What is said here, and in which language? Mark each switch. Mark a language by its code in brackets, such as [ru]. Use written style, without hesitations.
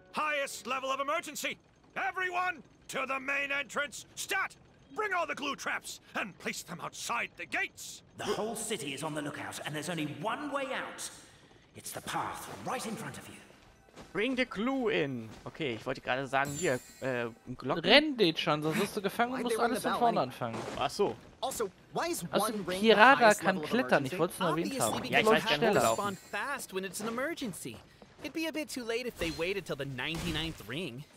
[en] Highest level of emergency! Everyone to the main entrance! Stat! Bring all the glue traps and place them outside the gates! The whole city is on the lookout, and there's only one way out. It's the path right in front of you. Bring the glue in. [de] Okay, ich wollte gerade sagen, hier, Glocken. Renn, Dechan, sonst wirst du gefangen und musst alles von vorne anfangen. Ach so. [en] Also, why is one ring [de] Kirara kann klettern, ich wollte es nur erwähnt haben. Ja, ich weiß, schnell laufen. [en] Fast when it's an emergency. It'd be a bit too late if they waited till the 99th ring.